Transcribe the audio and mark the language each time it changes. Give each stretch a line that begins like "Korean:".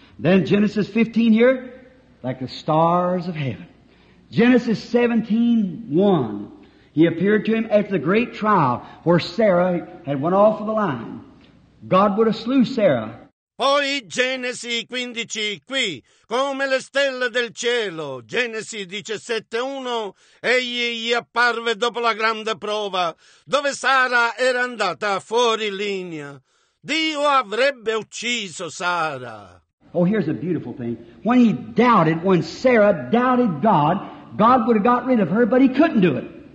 English: Then Genesis 15 here, like the stars of heaven. Genesis 17:1, he appeared to him after the great trial where Sarah had went off of the line. God would have slew Sarah.
Italian: Poi Genesi 15 qui, come le stelle del cielo. Genesi 17:1, egli gli apparve dopo la grande prova, dove Sara era andata fuori linea. Dio avrebbe ucciso Sara.
English: Oh, here's a beautiful thing. When he doubted, when Sarah doubted God, God would have got rid of her, but he couldn't do it.